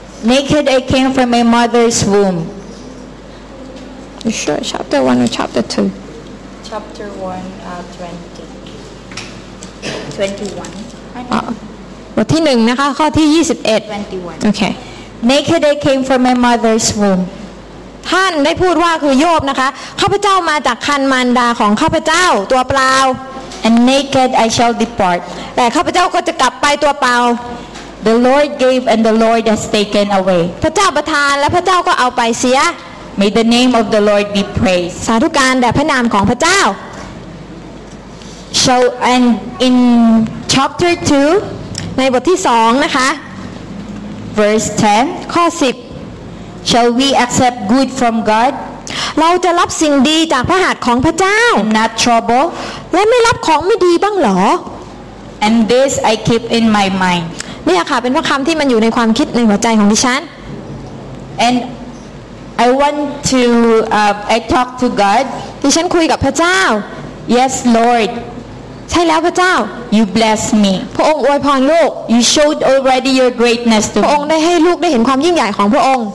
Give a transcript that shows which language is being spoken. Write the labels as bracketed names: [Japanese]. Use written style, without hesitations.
[English] naked I came from my mother's womb you sure chapter 1 or chapter 2 chapter 1 20 21 [Thai] บทที่หนึ่งนะคะข้อที่ยี่สิบเอ็ด [English] 21 okay naked I came from my mother's womb [Thai] ท่านได้พูดว่าคือโยบนะคะข้าพเจ้ามาจากครรภ์มารดาของข้าพเจ้าตัวเปล่า [English] And naked I shall depart [Thai] แต่ข้าพเจ้าก็จะกลับไปตัวเปล่า [English] The Lord gave and the Lord has taken away [Thai] พระเจ้าประทานและพระเจ้าก็เอาไปเสีย [English] May the name of the Lord be praised [Thai] สาธุการแด่พระนามของพระเจ้า [English] So and in chapter 2 [Thai] ในบทที่2นะคะ [English] verse 10 [Thai] ข้อ10 [English] Shall we accept good from God? [Thai] เราจะรับสิ่งดีจากพระหัตถ์ของพระเจ้า [English] Not trouble. [Thai] และไม่รับของไม่ดีบ้างหร [English] อ And this I keep in my mind. [Thai] นี่ค่ะเป็นพระคำที่มันอยู่ในความคิดในหัวใจของดิฉัน [English] And I want to I talk to God. [Thai] ดิฉันคุยกับพระเจ้า [English] Yes, Lord. [Thai] ใช่แล้วพระเจ้า [English] You bless me [Thai] พระองค์อวยพรลูก [English] You showed already your greatness to me [Thai] พระองค์ได้ให้ลูกได้เห็นความยิ่งใหญ่ของพระองค์